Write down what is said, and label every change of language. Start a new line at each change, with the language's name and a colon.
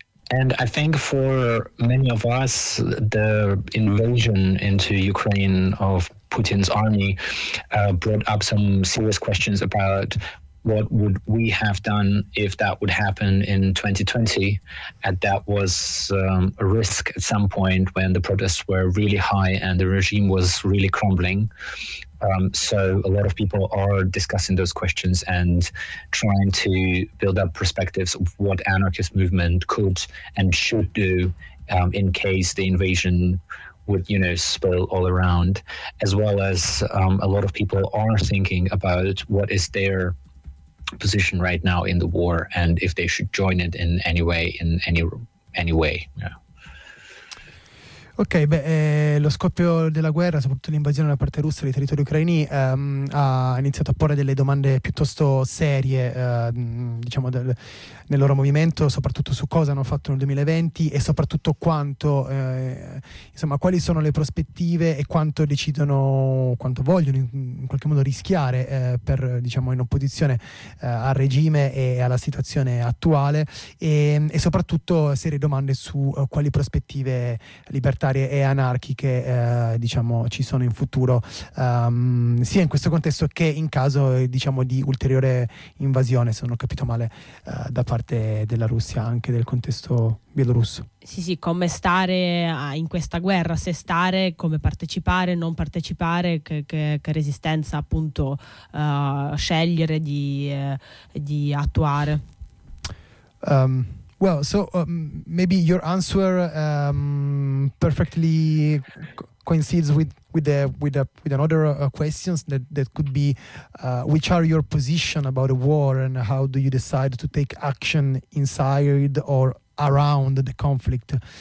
English: And I think for many of us, the invasion into Ukraine of Putin's army brought up some serious questions about what would we have done if that would happen in 2020. And that was a risk at some point when the protests were really high and the regime was really crumbling. So a lot of people are discussing those questions and trying to build up perspectives of what anarchist movement could and should do in case the invasion would, you know, spill all around, as well as a lot of people are thinking about what is their position right now in the war and if they should join it in any way, in any way, yeah.
Italian: Ok, beh, lo scoppio della guerra, soprattutto l'invasione da parte russa dei territori ucraini, ha iniziato a porre delle domande piuttosto serie, diciamo, nel loro movimento, soprattutto su cosa hanno fatto nel 2020 e soprattutto quanto, insomma, quali sono le prospettive e quanto decidono, quanto vogliono in qualche modo rischiare per, diciamo, in opposizione al regime e alla situazione attuale e soprattutto serie domande su quali prospettive libertà e anarchiche diciamo ci sono in futuro sia in questo contesto che in caso diciamo di ulteriore invasione, se non ho capito male, da parte della Russia, anche del contesto bielorusso. Sì, sì, come stare in questa guerra, se stare, come partecipare, non partecipare, che resistenza appunto scegliere di attuare.
English: Well, so maybe your answer perfectly coincides with another questions that could be, which are your position about a war and how do you decide to take action inside or around the conflict?